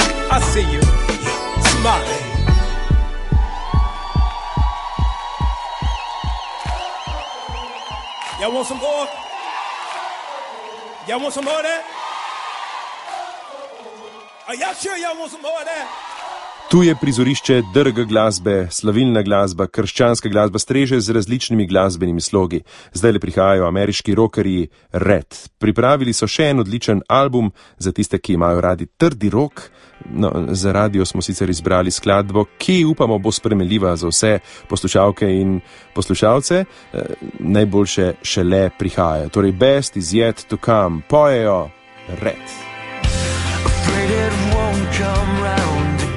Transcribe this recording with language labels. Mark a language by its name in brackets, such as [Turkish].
[English] I see you smiling. Y'all want some more? Y'all want some more of that? Are y'all sure y'all want some more of that? [Slovenian] Tu je prizorišče drga glasbe, slavilna glasba, krščanska glasba, streže z različnimi glasbenimi slogi. Zdaj le prihajajo ameriški rokerji Red. Pripravili so še en odličen album za tiste, ki imajo radi trdi rok. No, za radio smo sicer izbrali skladbo, ki upamo bo spremenljiva za vse poslušalke in poslušalce. Najboljše šele prihaja. Torej [English] Best is yet to come. [Slovenian] Pojejo Red. [English] Afraid it won't come round.